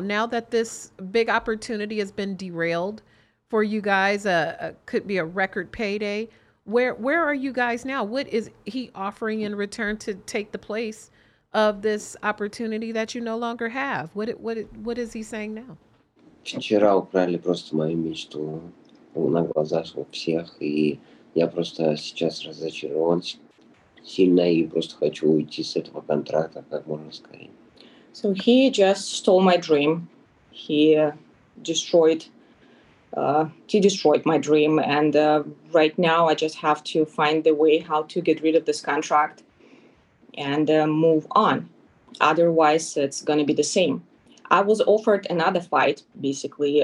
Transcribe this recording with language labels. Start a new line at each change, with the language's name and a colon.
English: Now that this big opportunity has been derailed for you guys, could be a record payday. Where are you guys now? What is he offering in return to take the place of this opportunity that you no longer have? What is he saying now?
Russian: Вчера украли просто мою мечту на глазах у всех, и я просто сейчас разочарован сильно и просто хочу уйти с этого контракта как можно скорее.
English: So he just stole my dream. He destroyed my dream, and right now I just have to find the way how to get rid of this contract and move on. Otherwise, it's gonna be the same. I was offered another fight, basically.